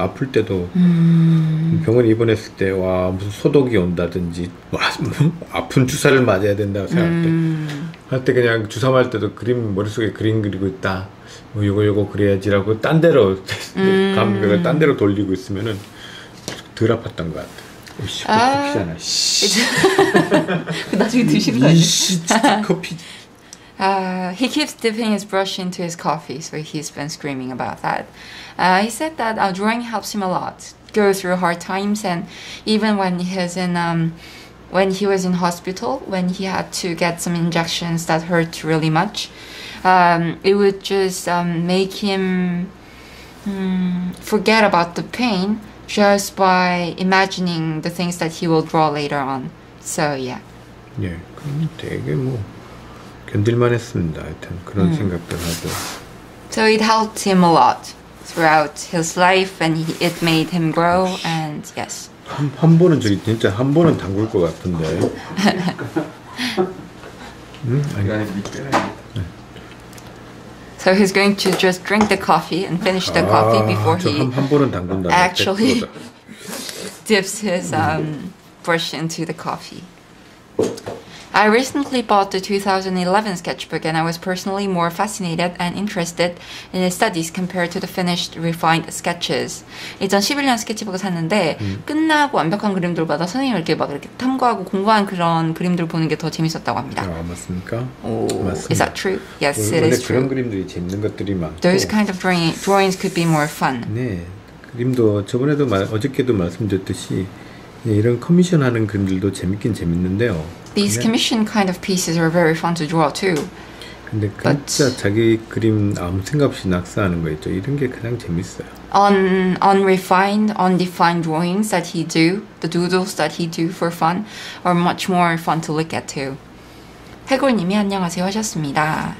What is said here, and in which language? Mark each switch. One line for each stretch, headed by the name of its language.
Korean: 아플 때도 병원에 입원했을 때 와 무슨 소독이 온다든지 아픈 주사를 맞아야 된다고 생각할 때 할 때 그냥 주사 맞을 때도 그림 머릿속에 그림 그리고 있다 뭐 요거 그래야지라고 딴 데로 감각을 딴 데로 돌리고 있으면은 덜 아팠던 것 같아. 오씨 커피잖아. 나중에 드시는 거 아니야? 커피.
English: He keeps dipping his brush into his coffee, so he's been screaming about that. He said that drawing helps him a lot, go through hard times, and even when he's in, when he was in hospital, when he had to get some injections that hurt really much, it would just make him forget about the pain just by imagining the things that he will draw later on. So yeah.
Korean: Yeah, 되게 뭐. 견딜만 했습니다. 하여튼 그런 생각도 하고.
English: So it helped him a lot throughout his life, and it made him grow. 오씨. And yes.
Korean: 한 번은 저기 진짜 한 번은 담글 것 같은데. 아니.
English: So he's going to just drink the coffee and finish the coffee before
Korean: 저 한 번은 담근다.
English: Actually, dips his brush into the coffee. I recently bought the 2011 sketchbook and I was personally more fascinated and interested in his studies compared to the finished refined sketches.
Korean: 2011년 스케치북을 샀는데 끝나고 완벽한 그림들보다 선생님을 이렇게 막 이렇게 탐구하고 공부한 그런 그림들 보는 게 더 재밌었다고 합니다. 아, 맞습니까? 오, 맞습니다.
English: Is that true? Yes, it is true.
Korean: 그런 그림들이 재밌는 것들이 많고
English: Those kind of drawings could be more fun.
Korean: 네. 그림도 저번에도 어저께도 말씀드렸듯이 네, 이런 커미션 하는 그림들도 재밌긴 재밌는데요.
English: These commission kind of pieces are very fun to draw too.
Korean: 근데 진짜 자기 그림 아무 생각 없이 낙서하는 거 있죠. 이런 게 가장 재밌어요.
English: Unrefined, undefined drawings that he do, the doodles that he do for fun, are much more fun to look at too.
Korean: 해골님이 안녕하세요 하셨습니다.